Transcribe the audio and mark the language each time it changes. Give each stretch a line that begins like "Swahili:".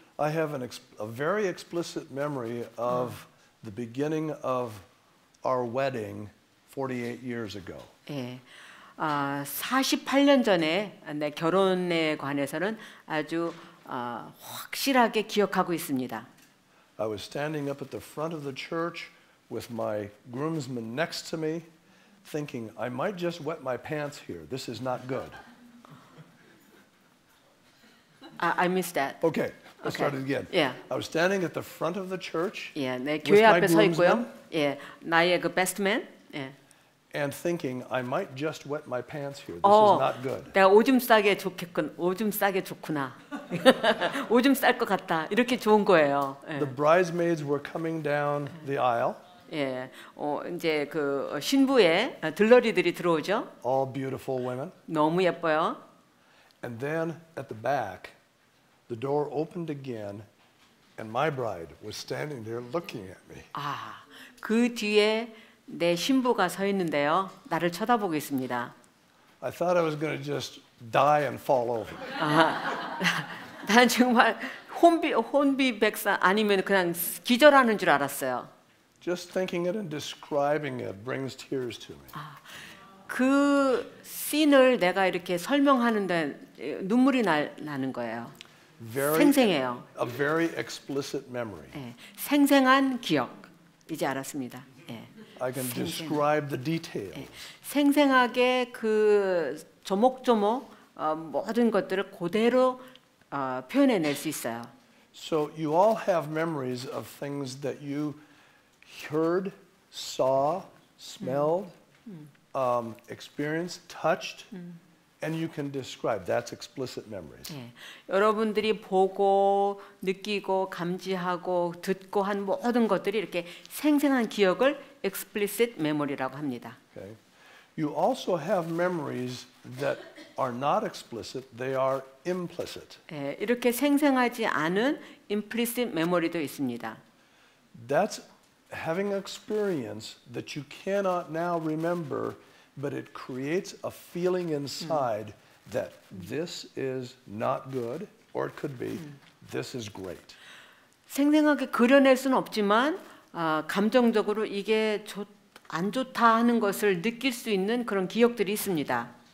English: I have a very explicit memory of the beginning of our wedding 48 years ago.
Korean: 예. 48년 전에 내 결혼에 관해서는 아주 확실하게 기억하고 있습니다.
English: I was standing up at the front of the church with my groomsman next to me, thinking I might just wet my pants here. This is not good. I missed that. Okay, let's start it again. Yeah. I was standing at the front of the church.
Korean: Yeah, 내 교회 앞에 서 있고요. 예, 나의 그 best man. 예.
English: and thinking I might just wet my pants here. This 어, is not good.
Korean: 내가 오줌 싸게 좋겠군. 오줌 싸게 좋구나. 오줌 쌀 것 같다. 이렇게 좋은 거예요. 예.
English: The bridesmaids were coming down the aisle.
Korean: 예. 어, 이제 그 신부의 들러리들이 들어오죠.
English: All beautiful women.
Korean: 너무 예뻐요.
English: And then at the back, the door opened again, and my bride was standing there looking at me.
Korean: 아, 그 뒤에 내 신부가 서 있는데요. 나를 쳐다보고 있습니다.
English: I thought I was going to just die and fall over.
Korean: 아, 난 정말 혼비백산 아니면 그냥 기절하는 줄 알았어요.
English: Just thinking it and describing it brings tears to me. 아,
Korean: 그 씬을 내가 이렇게 설명하는데 눈물이 나는 거예요. 생생해요.
English: A very explicit memory. 네,
Korean: 생생한 기억 이제 알았습니다. 네.
English: I can describe the details.
Korean: 네, 생생하게 그 조목조목 모든 것들을 그대로 표현해낼 수 있어요.
English: So you all have memories of things that you heard, saw, smelled. Experienced, touched, and you can describe. That's explicit memories.
Korean: 네, 여러분들이 보고 느끼고 감지하고 듣고 한 모든 것들이 이렇게 생생한 기억을 explicit memory라고 합니다.
English: Okay. You also have memories that are not explicit. They are implicit.
Korean: 네, 이렇게 생생하지 않은 implicit memory도 있습니다.
English: That's having experience that you cannot now remember. But it creates a feeling inside that this is not good, or it could be this is great.
Korean: 생생하게 그려낼 수는 없지만 감정적으로 이게 안 좋다 하는 것을 느낄 수 있는 그런 기억들이 있습니다.